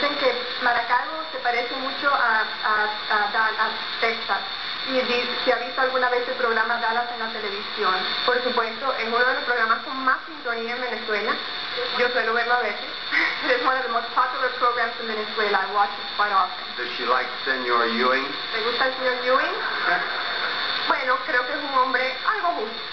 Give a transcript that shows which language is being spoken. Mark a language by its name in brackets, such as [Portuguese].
[Spanish] Dicen que Maracaibo se parece mucho a Texas. Y si ha visto alguna vez el programa Dallas en la televisión. Por supuesto, es uno de los programas con más sintonía en Venezuela. Yo suelo verlo a veces. [English] It is one of the most popular programs in Venezuela. I watch it quite often. Does she like Senor Ewing? [Spanish] ¿Le gusta el señor Ewing? Bueno, creo que es un hombre algo justo.